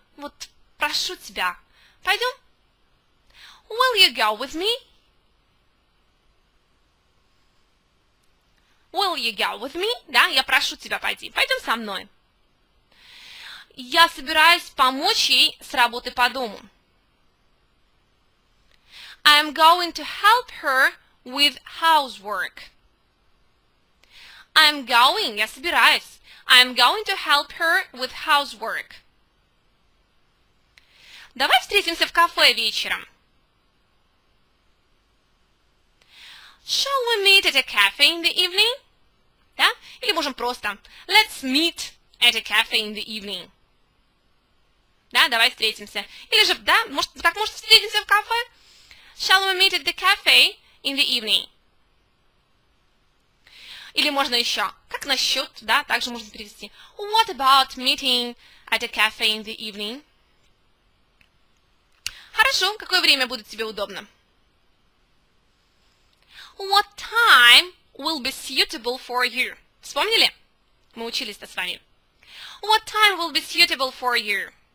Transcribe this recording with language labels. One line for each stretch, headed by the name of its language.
Russian: Вот прошу тебя. Пойдем.
English: Will you go with me? Will you go with me?
Russian: Да, я прошу тебя пойти. Пойдем со мной. Я собираюсь помочь ей с работы по дому.
English: I am going to help her with housework. I am going,
Russian: я собираюсь.
English: I am going to help her with housework.
Russian: Давай встретимся в кафе вечером.
English: Shall we meet at a cafe in the evening?
Russian: Да? Или можем просто.
English: Let's meet at a cafe in the evening.
Russian: Да, давай встретимся. Или же, да, может, так может встретимся в кафе?
English: Shall we meet at the cafe in the evening?
Russian: Или можно еще, как насчет, да, также можно перевести.
English: What about meeting at a cafe in the evening?
Russian: Хорошо, какое время будет тебе удобно?
English: What time will be suitable for you?
Russian: Вспомнили? Мы учились-то с вами.
English: What time will be suitable for you?